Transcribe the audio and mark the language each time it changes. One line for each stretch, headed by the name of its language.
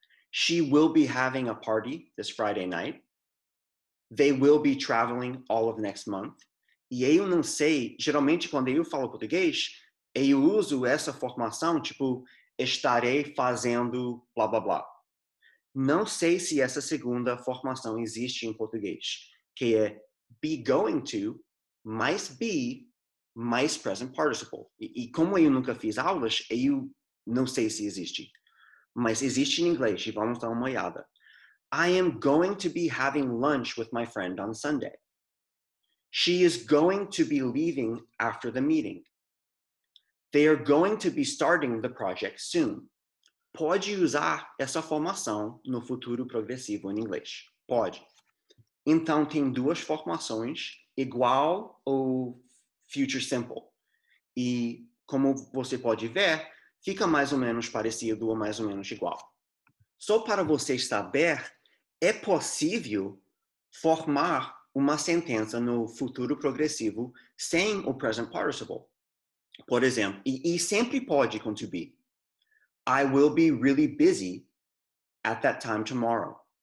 English: She will be having a party this Friday night. They will be traveling all of next month.
Portuguese: E eu não sei, geralmente quando eu falo português, eu uso essa formação, tipo, estarei fazendo blá blá blá. Não sei se essa segunda formação existe em português, que é be going to mais be mais present participle. E como eu nunca fiz aulas, eu não sei se existe. Mas existe em inglês, e vamos dar uma olhada.
English: I am going to be having lunch with my friend on Sunday. She is going to be leaving after the meeting. They are going to be starting the project soon.
Portuguese: Pode usar essa formação no futuro progressivo em inglês. Pode. Então, tem duas formações, igual ao future simple. E como você pode ver, fica mais ou menos parecido ou mais ou menos igual. Só para você saber, é possível formar uma sentença no futuro progressivo sem o present participle. Por exemplo, e sempre pode com to be.
English: I will be really busy at that time tomorrow.